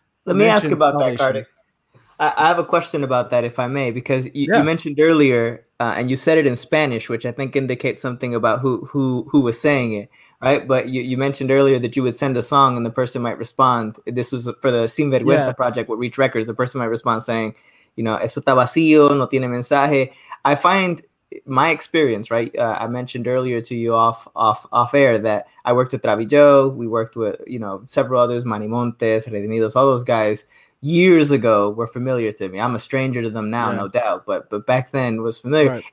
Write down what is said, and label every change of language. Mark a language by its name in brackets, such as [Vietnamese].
[English] Let me ask about that, CARDEC. I have a question about that, if I may, because you mentioned earlier, and you said it in Spanish, which I think indicates something about who was saying it, right? But you mentioned earlier that you would send a song and the person might respond. This was for the Sin Vergüenza project with Reach Records. The person might respond saying, you know, [Spanish] eso está vacío, no tiene mensaje. [English] I find my experience, right? I mentioned earlier to you off air that I worked with Travi Joe. We worked with, you know, several others, Manny Montes, Redimidos, all those guys years ago were familiar to me. I'm a stranger to them now, no doubt, but back then was familiar. Right.